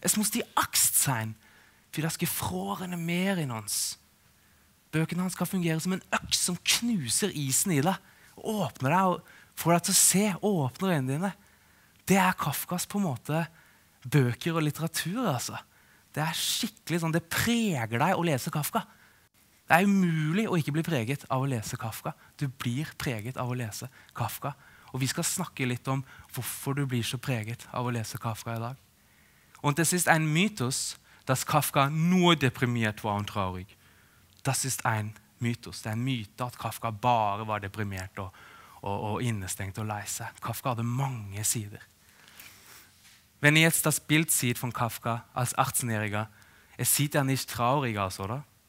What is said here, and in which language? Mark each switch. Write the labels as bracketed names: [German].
[German] Es muss die Axt sein für das gefrorene Meer in uns. [Norwegian] Bøkene hans skal fungere som en øks som knuser isen i deg. Åpner deg og får deg til å se. Åpner øynene dine. Det Kafkas på en måte bøker og litteratur, altså. Det skikkelig sånn, det preger deg å lese Kafka. Det umulig å ikke bli preget av å lese Kafka. Du blir preget av å lese Kafka. Og vi skal snakke litt om hvorfor du blir så preget av å lese Kafka i dag. Og det siste en mytos, [German] dass Kafka nur deprimiert var und traurig. Das ist ein Mythos. [Norwegian] Det en myte at Kafka bare var deprimert og innestengt og leise. Kafka hadde mange sider. [German] Wenn ihr jetzt das Bild sieht von Kafka als 18-Jähriger, es sieht er nicht traurig aus, oder?